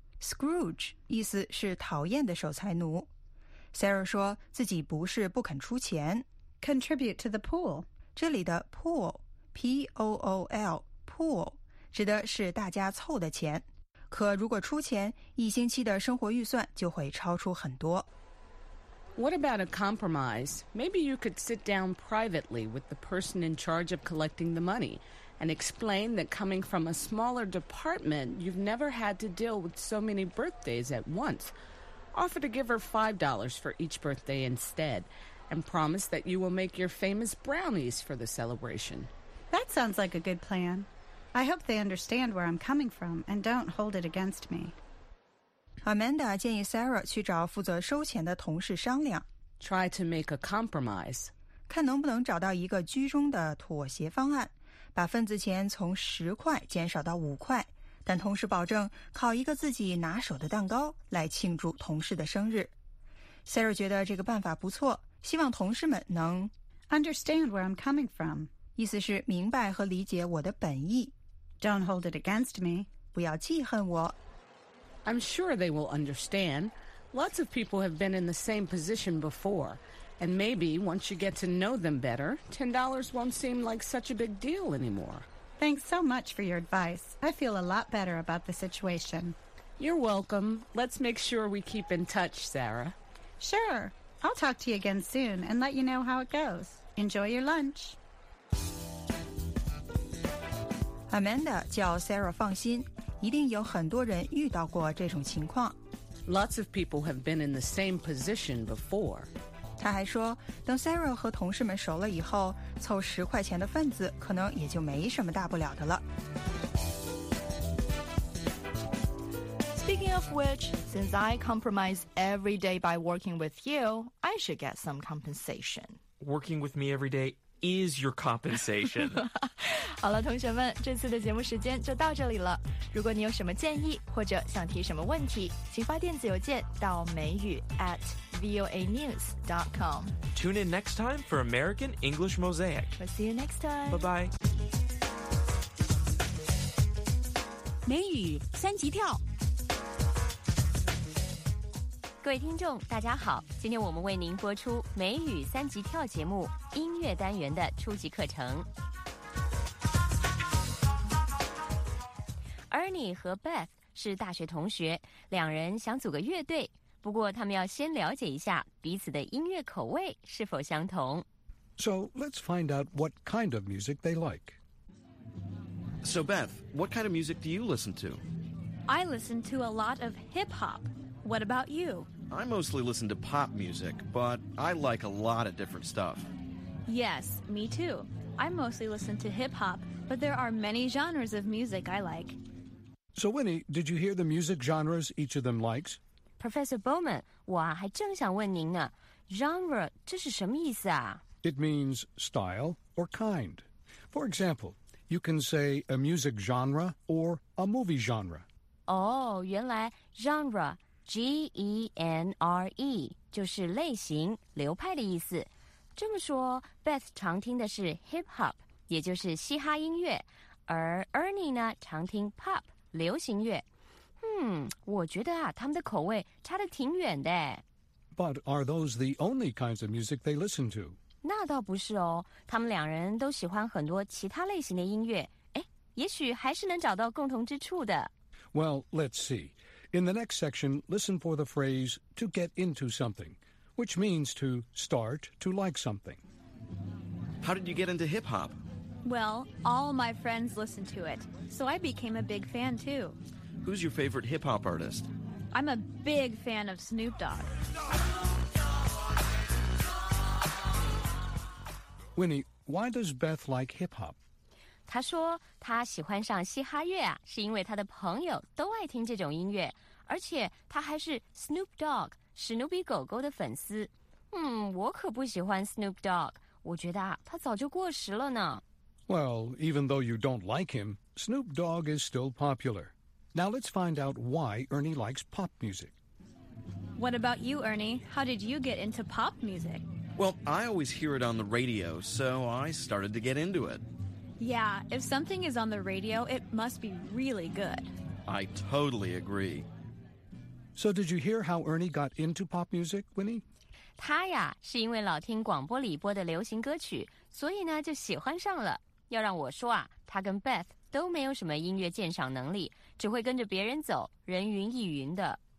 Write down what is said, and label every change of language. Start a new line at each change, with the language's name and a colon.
Chinese: Scrooge 意思是讨厌的守财奴。Sarah 说自己不是不肯出钱。
English: Contribute to the pool.
Chinese: 这里的 pool, P-O-O-L, pool, 指的是大家凑的钱。可如果出钱，一星期的生活预算就会超出很多。
English: What about a compromise? Maybe you could sit down privately with the person in charge of collecting the money and explain that coming from a smaller department, you've never had to deal with so many birthdays at once. Offer to give her $5 for each birthday instead and promise that you will make your famous brownies for the celebration. That sounds like a good plan. I hope they understand where I'm coming from and don't hold it against me.
Chinese: Amanda 建议 Sarah 去找负责收钱的同事商量。
English: Try to make a compromise.
Chinese: 看能不能找到一个居中的妥协方案，把份子钱从10块减少到5块，但同时保证烤一个自己拿手的蛋糕来庆祝同事的生日。 Sarah 觉得这个办法不错，希望同事们能
English: Understand where I'm coming from.
Chinese: 意思是明白和理解我的本意。
English: Don't hold it against me.
Chinese: 不要记恨我。
English: I'm sure they will understand. Lots of people have been in the same position before. And maybe, once you get to know them better, $10 won't seem like such a big deal anymore. Thanks so much for your advice. I feel a lot better about the situation. You're welcome. Let's make sure we keep in touch, Sarah. Sure. I'll talk to you again soon and let you know how it goes. Enjoy your lunch.
Chinese: Amanda 叫 Sarah 放心。一定有很多人遇到过这种情况。
English: Lots of people have been in the same position before.
Chinese: 他还说，等 Sarah 和同事们熟了以后，凑10块钱的份子可能也就没什么大不了的了。
English: Speaking of which, since I compromise every day by working with you, I should get some compensation. Working with me every day is your compensation.
Chinese: 好了，同学们，这次的节目时间就到这里了。如果你有什么建议或者想提什么问题，请发电子邮件到美语@voanews.com.
English: Tune in next time for American English Mosaic. We'll see you next time. Bye-bye.
Chinese: 美语三级跳。各位听众大家好，今天我们为您播出美语三级跳节目音乐单元的初级课程。 Ernie 和 Beth 是大学同学，两人想组个乐队，不过他们要先了解一下彼此的音乐口味是否相同。
English: So let's find out what kind of music they like. So Beth, what kind of music do you listen to? I listen to a lot of hip-hop. What about you? I mostly listen to pop music, but I like a lot of different stuff. Yes, me too. I mostly listen to hip-hop, but there are many genres of music I like. So Winnie, did you hear the music genres each of them likes?
Chinese: Professor Bowman, 我还正想问您呢。Genre, 这是什么意思啊？
English: It means style or kind. For example, you can say a music genre or a movie genre.
Chinese: Oh, 原来 genre, G-E-N-R-E, 就是类型、流派的意思。这么说 ,Beth 常听的是 hip-hop, 也就是嘻哈音乐。而 Ernie 呢常听 pop, 流行乐。我觉得啊他们的口味差得挺远的。
English: But are those the only kinds of music they listen to?
Chinese: 那倒不是哦，他们两人都喜欢很多其他类型的音乐，哎，也许还是能找到共同之处的。
English: Well, let's see. In the next section, listen for the phrase to get into something, which means to start to like something. How did you get into hip-hop? Well, all my friends listen to it, so I became a big fan too. Who's your favorite hip-hop artist? I'm a big fan of Snoop Dogg. Winnie, why does Beth like hip-hop?
Chinese: 她说她喜欢上嘻哈乐啊，是因为她的朋友都爱听这种音乐，而且她还是 Snoop Dogg, 史努比狗狗的粉丝。我可不喜欢 Snoop Dogg, 我觉得啊，他早就过时了呢。
English: Well, even though you don't like him, Snoop Dogg is still popular. Now let's find out why Ernie likes pop music. What about you, Ernie? How did you get into pop music? Well, I always hear it on the radio, so I started to get into it. Yeah, if something is on the radio, it must be really good. I totally agree. So did you hear how Ernie got into pop music, Winnie?
Chinese: 他呀，是因为老听广播里播的流行歌曲，所以呢，就喜欢上了。要让我说啊，他跟 Beth 都没有什么音乐鉴赏能力，只会跟着别人走，人云亦云的。